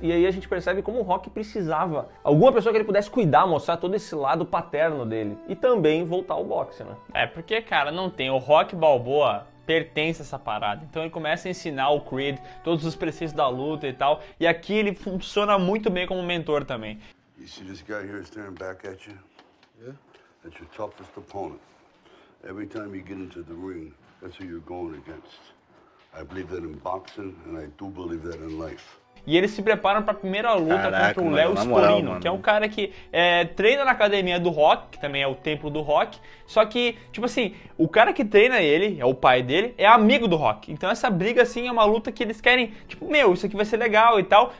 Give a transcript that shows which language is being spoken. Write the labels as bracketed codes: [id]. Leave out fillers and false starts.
[pt] E aí a gente percebe como o Rock precisava. Alguma pessoa que ele pudesse cuidar, mostrar todo esse lado paterno dele. E também voltar ao boxe, né? É, porque, cara, não tem. O Rock Balboa pertence a essa parada. Então ele começa a ensinar o Creed todos os preceitos da luta e tal. E aqui ele funciona muito bem como mentor também. [en] You see this guy here staring back at you? Yeah. That's your toughest opponent. Every time you get into the ring, that's who you're going against. I believe that in boxing, and I do believe that in life. [pt] E eles se preparam pra primeira luta. Caraca, contra o Léo Spolino, que é um cara que treina na academia do Rock, que também é o templo do Rock. Só que, tipo assim, o cara que treina ele, é o pai dele, é amigo do Rock. Então essa briga, assim, é uma luta que eles querem, tipo, meu, isso aqui vai ser legal e tal.